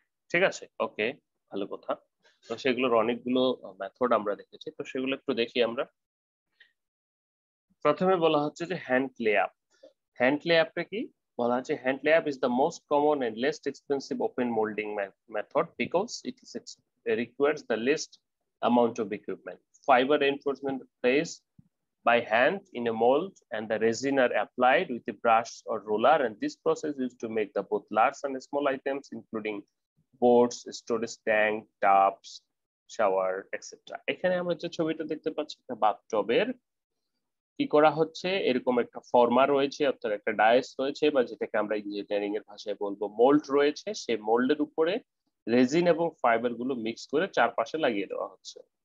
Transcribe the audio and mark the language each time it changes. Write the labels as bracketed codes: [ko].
[bn] ঠিক আছে, ওকে, ভালো কথা। তো সেগুলোর অনেকগুলো মেথড আমরা দেখেছি, তো সেগুলো একটু দেখি আমরা। প্রথমে বলা হচ্ছে যে hand clay app. Hand clay অ্যাপটা কি বলা হচ্ছে, [en] Hand lay up is the most common and least expensive open moulding method because it is requires the least amount of equipment. Fiber reinforcement placed by hand in a mold and the resin are applied with a brush or roller, and this process is to make the both large and small items including boards, storage tank, tubs, shower, etc. [bn] এখানে আমরা যে ছবিটা দেখতে পাচ্ছি একটা বাথটবের কি করা হচ্ছে, এরকম একটা ফর্মা রয়েছে অর্থাৎ একটা ডায়াস রয়েছে বা যেটাকে আমরা ইঞ্জিনিয়ারিং এর ভাষায় বলবো মোল্ড রয়েছে, সেই মোল্ডের উপরে রেজিন এবং ফাইবার গুলো মিক্স করে চারপাশে লাগিয়ে দেওয়া হচ্ছে।